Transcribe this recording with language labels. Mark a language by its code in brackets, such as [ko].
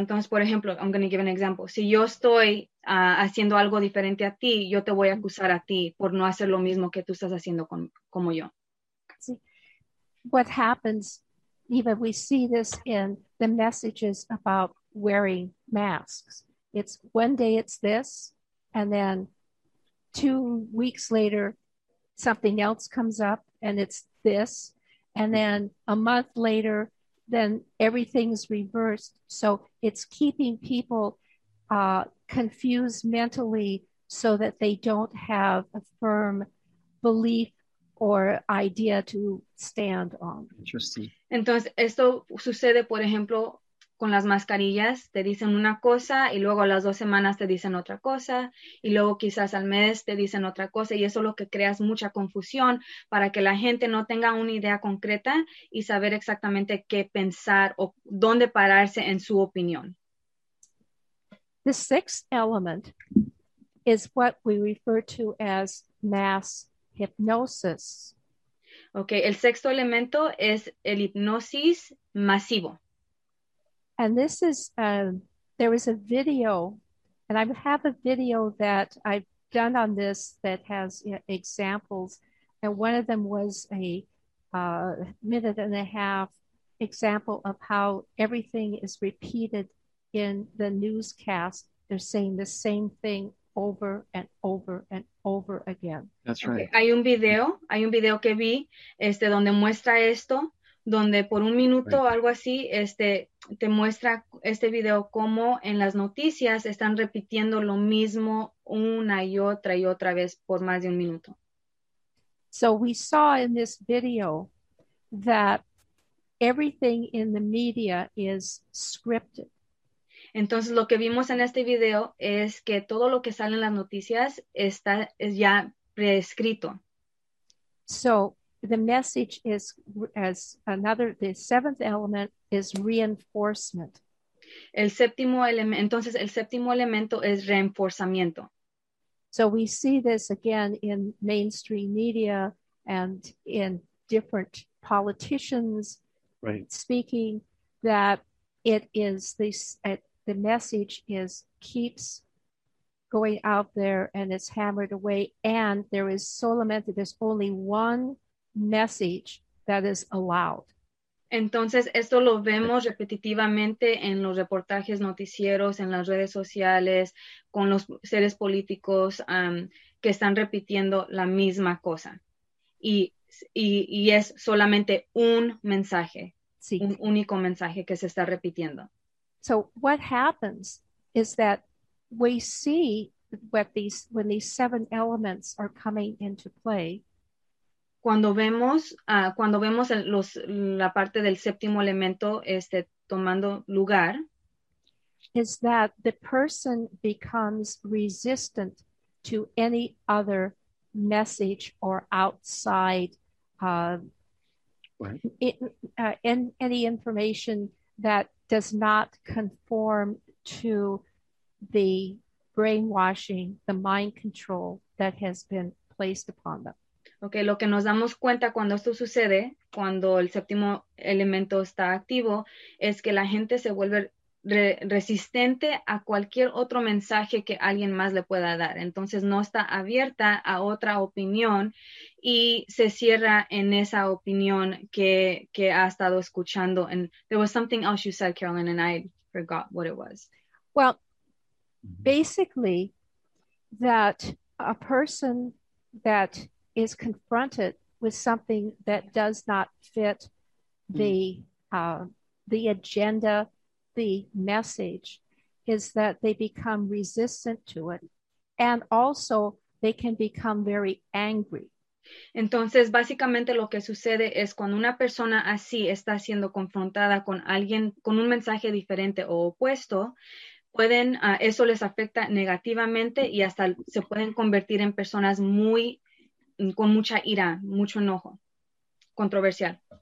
[es] Entonces, por ejemplo, [en] I'm going to give an example. [es] Si yo estoy haciendo algo diferente a ti, yo te voy a acusar a ti por no hacer lo mismo que tú estás haciendo como yo. Sí. [en] What happens, even we see this in the messages about wearing masks. It's one day it's this, and then 2 weeks later, something else comes up, and it's this. And then a month later, then everything's reversed. So it's keeping people confused mentally so that they don't have a firm belief or idea to stand on. Interesting. [es] Entonces, esto sucede, por ejemplo, con las mascarillas. Te dicen una cosa y luego a las dos semanas te dicen otra cosa y luego quizás al mes te dicen otra cosa, y eso es lo que creas mucha confusión para que la gente no tenga una idea concreta y saber exactamente qué pensar o dónde pararse en su opinión. [en] The sixth element is what we refer to as mass hypnosis. [es] Okay, el sexto elemento es el hipnosis masivo. [en] And this is, there is a video, and I have a video that I've done on this that has examples, and one of them was a minute and a half example of how everything is repeated in the newscast. They're saying the same thing over and over and over again. That's right. Okay. [es] Hay un video que vi, donde muestra esto, donde por un minuto o algo así, te muestra este video cómo en las noticias están repitiendo lo mismo una y otra vez por más de un minuto. [en] So we saw in this video that everything in the media is scripted. [es] Entonces lo que vimos en este video es que todo lo que sale en las noticias está ya preescrito. [en] So the message is, as another, the seventh element is reinforcement. [es] El séptimo elemento es reenforzamiento. [en] So we see this again in mainstream media and in different politicians speaking, that it is the message is keeps going out there and it's hammered away, and there is solamente, there's only one message that is allowed. [es] Entonces esto lo vemos repetitivamente en los reportajes noticieros, en las redes sociales, con los seres políticos que están repitiendo la misma cosa, y es solamente un mensaje, sí, un único mensaje que se está repitiendo. [en] So what happens is that we see when these seven elements are coming into play. [es] Cuando vemos la parte del séptimo elemento tomando lugar, [en] is that the person becomes resistant to any other message or outside in any information that does not conform to the brainwashing, the mind control that has been placed upon them. [es] Okay, lo que nos damos cuenta cuando esto sucede, cuando el séptimo elemento está activo, es que la gente se vuelve resistente a cualquier otro mensaje que alguien más le pueda dar. Entonces no está abierta a otra opinión y se cierra en esa opinión que ha estado escuchando. [en] And there was something else you said, Carolyn, and I forgot what it was. Well, basically that a person that is confronted with something that does not fit the agenda, the message, is that they become resistant to it, and also they can become very angry. [es] Entonces, básicamente lo que sucede es cuando una persona así está siendo confrontada con alguien con un mensaje diferente o opuesto, pueden eso les afecta negativamente y hasta se pueden convertir en personas muy con mucha ira, mucho enojo, controversial.